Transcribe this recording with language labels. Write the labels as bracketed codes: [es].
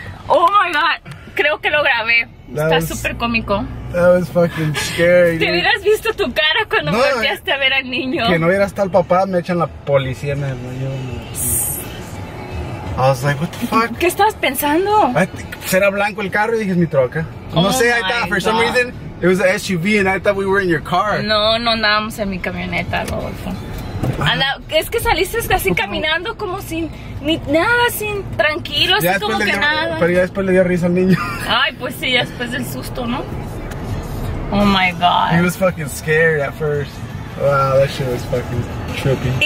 [en] Oh my god, [es] creo que lo grabé. Está súper cómico. [en] That was fucking scary. [es] Te hubieras visto tu cara cuando me volteaste a ver al niño. Que no hubiera estado el papá, me echan la policía en el niño. [en] I was like, what the fuck? [es] ¿Qué estabas pensando? Será blanco el carro y dije, es mi troca. No sé, [en] I thought for some reason it was an SUV and I thought we were in your car. [es] No andábamos en mi camioneta, Rodolfo. Anda, es que saliste así caminando como sin ni nada, sin tranquilo, así como que dio, nada. Pero ya después le dio risa al niño. Ay, pues sí, ya después del susto, ¿no? [en] Oh my god. He was fucking scared at first. Wow, that shit was fucking trippy.